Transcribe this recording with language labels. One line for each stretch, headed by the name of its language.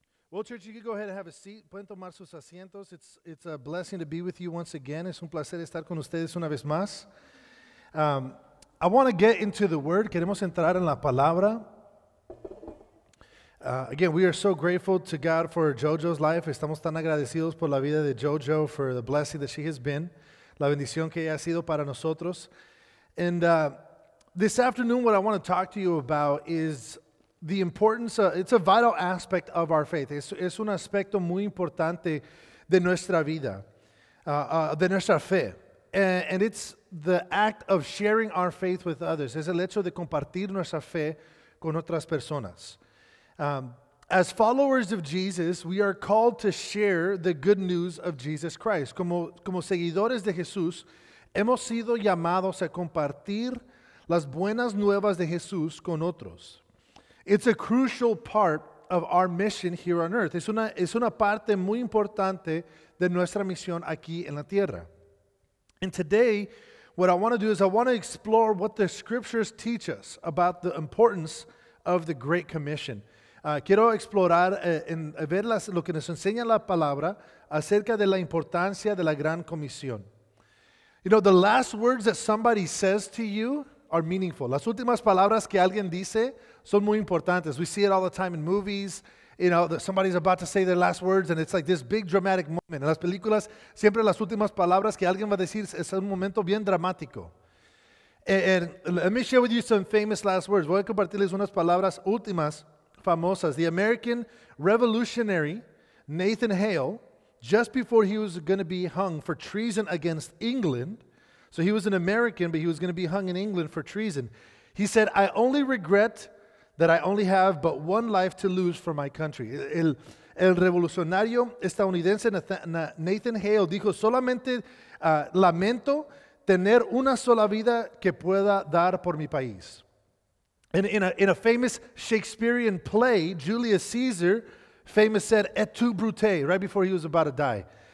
English: Well, church, you can go ahead and have a seat.
Spanish: Pueden tomar sus asientos.
English: It's a blessing to be with you once again.
Spanish: Es un placer estar con ustedes una vez más.
English: I want to get into the Word.
Spanish: Queremos entrar en la palabra.
English: Again, we are so grateful to God for JoJo's life.
Spanish: Estamos tan agradecidos por la vida de JoJo,
English: for the blessing that she has been,
Spanish: la bendición que ha sido para nosotros.
English: And this afternoon, what I want to talk to you about is the importance, it's a vital aspect of our faith.
Spanish: Es un aspecto muy importante de nuestra vida, de nuestra fe.
English: And it's the act of sharing our faith with others.
Spanish: Es el hecho de compartir nuestra fe con otras personas.
English: As followers of Jesus, we are called to share the good news of Jesus Christ.
Spanish: Como seguidores de Jesús, hemos sido llamados a compartir las buenas nuevas de Jesús con otros.
English: It's a crucial part of our mission here on earth.
Spanish: Es una parte muy importante de nuestra misión aquí en la tierra.
English: And today, what I want to do is I want to explore what the scriptures teach us about the importance of the Great Commission.
Spanish: Quiero explorar ver lo que nos enseña la palabra acerca de la importancia de la Gran Comisión.
English: You know, the last words that somebody says to you are meaningful.
Spanish: Las últimas palabras que alguien dice son muy importantes.
English: We see it all the time in movies. You know, that somebody's about to say their last words, and it's like this big dramatic moment.
Spanish: En las películas, siempre las últimas palabras que alguien va a decir es un momento bien dramático.
English: And let me share with you some famous last words.
Spanish: Voy a compartirles unas palabras últimas famosas.
English: The American revolutionary Nathan Hale, just before he was going to be hung for treason against England. So he was an American, but he was going to be hung in England for treason. He said, "I only regret that I only have but one life to lose for my country."
Spanish: El revolucionario estadounidense Nathan Hale dijo, "Solamente lamento tener una sola vida que pueda dar por mi país."
English: And in a famous Shakespearean play, Julius Caesar, famous said, "Et tu, Brute," right before he was about to die.